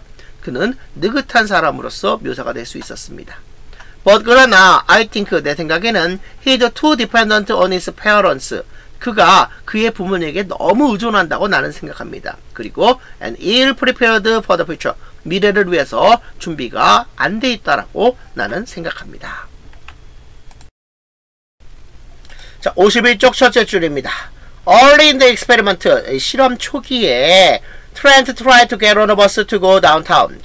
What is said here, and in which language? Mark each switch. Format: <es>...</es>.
<ko>그는 느긋한 사람으로서 묘사가 될 수 있었습니다.</ko> <en>But</en> <ko>그러나</ko> <en>I think</en> <ko>내 생각에는</ko> <en>he's too dependent on his parents.</en> <ko>그가 그의 부모에게 너무 의존한다고 나는 생각합니다. 그리고</ko> <en>and ill prepared for the future.</en> <ko>미래를 위해서 준비가 안 돼 있다라고 나는 생각합니다. 자, 51쪽 첫째 줄입니다.</ko> <en>Early in the experiment,</en> <ko>실험 초기에</ko> <en>Trent tried to get on a bus to go downtown.</en>